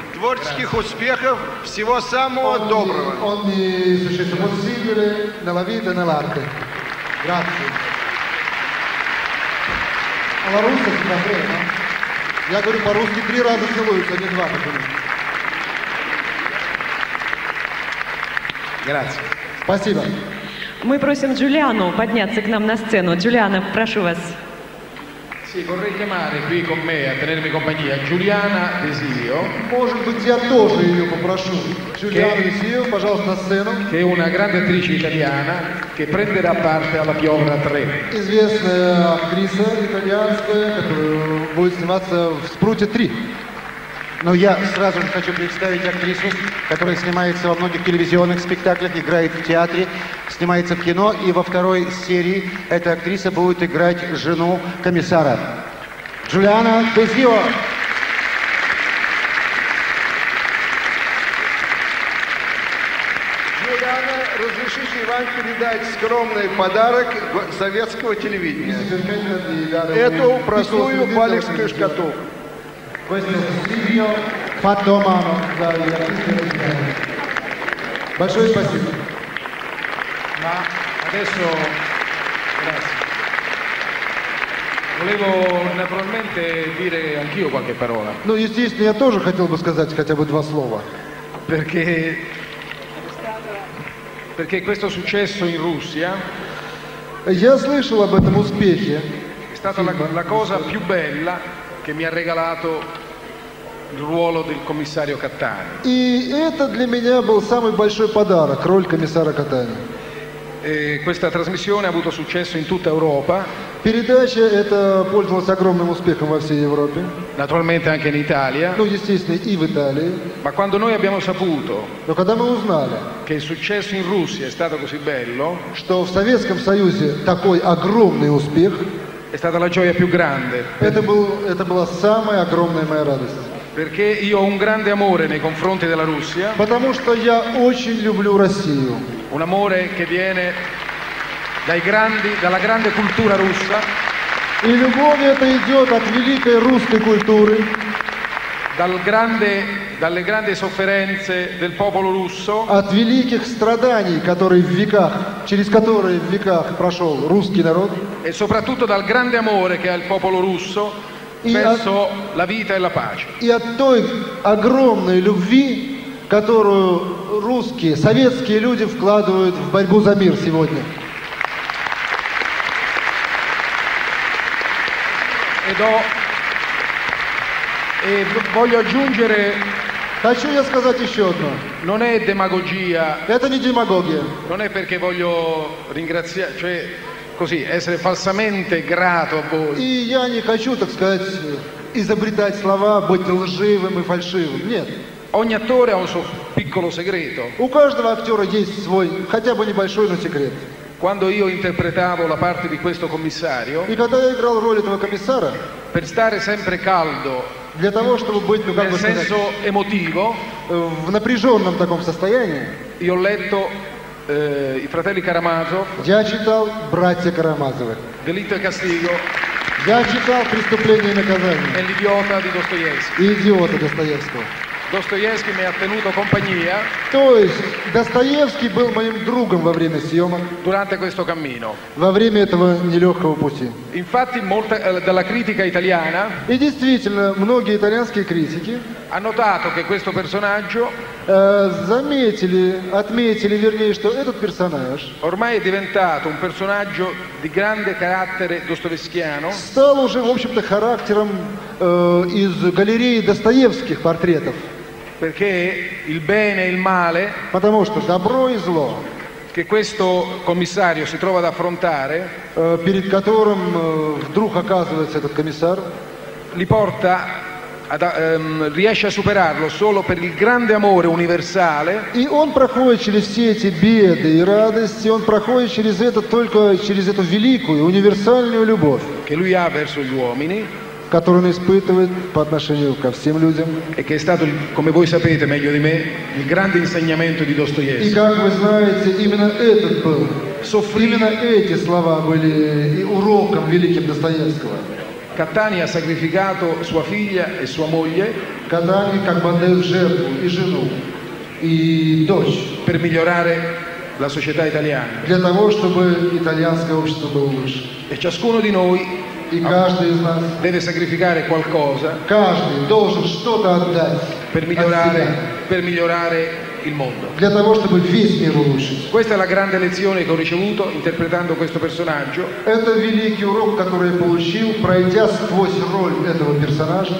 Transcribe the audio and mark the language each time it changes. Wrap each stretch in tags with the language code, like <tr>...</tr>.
<ru>творческих успехов, всего самого доброго.</ru> <it>Ogni successo possibile nella vita e nell'arte. Grazie. Alla russa si fa bene, no?</it> <ru>Я говорю по-русски три раза целуются, не два.</ru> <it>Grazie.</it> <ru>Спасибо. Мы просим Джулиану подняться к нам на сцену. Джулиана, прошу вас.</ru> <it>Sì, vorrei chiamare qui con me a tenermi compagnia Giuliana Desio.</it> <ru>Может быть, я тоже ее попрошу. Giuliana Desio, пожалуйста, на сцену.</ru> <it>Che è una grande attrice italiana che prenderà parte alla Piovra 3.</it> <ru>Известная актриса итальянская, которая будет сниматься в Спруте 3. Но я сразу же хочу представить актрису, которая снимается во многих телевизионных спектаклях, играет в театре, снимается в кино, и во второй серии эта актриса будет играть жену комиссара. Джулиана Дезио. Джулиана, разрешите вам передать скромный подарок советского телевидения. Эту простую балекскую шкатулку.</ru> <it>Questo stipendio fatto a mano dai ragazzi.</it> <ru>Большое.</ru> <it>Ma adesso grazie. Volevo naturalmente dire anch'io qualche parola.</it> <ru>Ну, естественно, я тоже хотел бы сказать хотя бы два слова.</ru> <it>Perché questo successo in Russia.</it> <ru>Я слышал об этом успехе.</ru> <it>È stata la cosa più bella che mi ha regalato il ruolo del commissario Cattani.</it> <ru>И это для меня был самый большой подарок, роль комиссара Катани.</ru> <it>Questa trasmissione ha avuto successo in tutta Europa.</it> <ru>Передача эта пользовалась огромным успехом во всей Европе.</ru> <it>Naturalmente anche in Italia.</it> <ru>Ну, естественно, и в Италии.</ru> <it>Ma quando noi abbiamo saputo,</it> <ru>но когда мы узнали,</ru> <it>che il successo in Russia è stato così bello,</it> <ru>что в Советском Союзе такой огромный успех,</ru> <it>è stata la gioia più grande.</it> <ru>Это была самая огромная моя радость.</ru> <it>Perché io ho un grande amore nei confronti della Russia.</it> <ru>Потому что я очень люблю Россию.</ru> <it>Un amore che viene dai grandi, dalla grande cultura russa.</it> <ru>И любовь эта идет от великой русской культуры.</ru> <it>Dalle grandi sofferenze del popolo russo.</it> <ru>От великих страданий, которые в веках, через которые в веках прошел русский народ.</ru> <it>E soprattutto dal grande amore che ha il popolo russo. Verso la vita e la pace.</it> <ru>И от той огромной любви, которую русские, советские люди вкладывают в борьбу за мир сегодня.</ru> <it>E voglio aggiungere.</it> <ru>Хочу я сказать еще одно.</ru> <it>Non è demagogia.</it> <ru>Это не демагогия.</ru> <it>Non è perché voglio ringraziare, cioè. Così, essere falsamente grato a voi.</it> <ru>И я не хочу, так сказать, изобретать слова, быть лживым и фальшивым. Нет.</ru> <it>Ogni attore ha un suo piccolo segreto.</it> <ru>У каждого актера есть свой, хотя бы небольшой, но секрет.</ru> <it>Quando io interpretavo la parte di questo commissario,</it> <ru>и когда я играл роль этого комиссара,</ru> <it>per stare sempre caldo,</it> <ru>для того, чтобы быть, ну, как</ru> <it>nel senso emotivo,</it> <ru>в напряженном таком состоянии,</ru> <it>io ho letto i fratelli Karamazov.</it> <ru>Я читал братья Карамазовы.</ru> <it>Delitto e castigo.</it> <ru>Я читал преступление и наказание.</ru> <it>E l'idiota di Dostoevskij.</it> <ru>Идиота Достоевского.</ru> <it>Dostoevskij mi ha tenuto compagnia.</it> <ru>То есть Достоевский был моим другом во время съемок.</ru> <it>Durante questo cammino.</it> <ru>Во время этого нелегкого пути.</ru> <it>Infatti molta della critica italiana.</it> <ru>И действительно многие итальянские критики.</ru> <it>Ha notato che questo personaggio.</it> <ru>Заметили, отметили, вернее, что этот персонаж</ru> <it>ormai è diventato un personaggio di grande carattere dostoevskiano,</it> <ru>стал уже, в общем-то, характером из галереи достоевских портретов.</ru> <it>Perché il bene e il male,</it> <ru>потому что добро и зло,</ru> <it>che questo commissario si trova ad affrontare,</it> <ru>перед которым вдруг оказывается этот комиссар,</ru> <it>li porta riesce a superarlo solo per il grande amore universale.</it> <ru>И он проходит через все эти беды и радости, он проходит через это только через эту великую универсальную любовь,</ru> <it>che lui ha verso gli uomini,</it> <ru>которую он испытывает по отношению ко всем людям.</ru> <it>E che è stato, come voi sapete meglio di me, il grande insegnamento di Dostoevskij.</it> <ru>И как вы знаете, именно этот был, именно эти слова были уроком великим Достоевского.</ru> <it>Катани ha sacrificato sua figlia e sua moglie.</it> <ru>Катани как бы отдал жертву и жену и дочь.</ru> <it>Per migliorare la società italiana.</it> <ru>Для того, чтобы итальянское общество было лучше.</ru> <it>E ciascuno di noi.</it> <ru>И каждый из нас.</ru> <it>Deve sacrificare qualcosa.</it> <ru>Каждый должен что-то отдать.</ru> <it>Per migliorare il mondo.</it> <ru>Для того, чтобы весь мир улучшить.</ru> <it>Questa è la grande lezione che ho ricevuto interpretando questo personaggio.</it> <ru>Это великий урок, который я получил, пройдя сквозь роль этого персонажа.</ru>